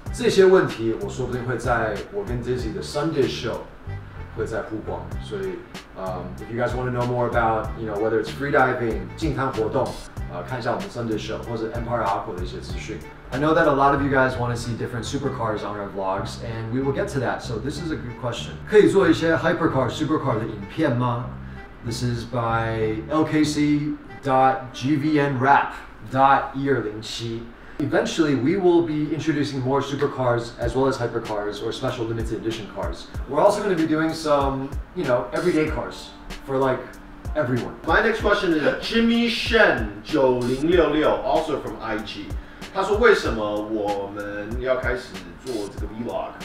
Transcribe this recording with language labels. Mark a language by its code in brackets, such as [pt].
[zh] 其实有很多人问我们，关于比如说会不会在做健康活动，还有在生活上的一些其他的问题。这些问题，我说不定会在我跟 Dizzy 的 Sunday Show。会在曝光，所以 [en] if you guys want to know more about you know whether it's free diving [zh] 健康活动， 看一下我们 [en] Sunday Show [zh] 或者 [en] Empire Aqua [zh] 的一些资讯。 [en] I know that a lot of you guys want to see different supercars on our vlogs, and we will get to that. So this is a good question. [zh] 可以做一些 hypercar supercar 的影片吗？ [en] This is by lkc.gvnrap.e207. Eventually, we will be introducing more supercars as well as hypercars or special limited edition cars. We're also going to be doing some, you know, everyday cars for like everyone. My next question is Jimmy Shen 9066, also from IG. [zh] 他说为什么我们要开始做这个 vlog?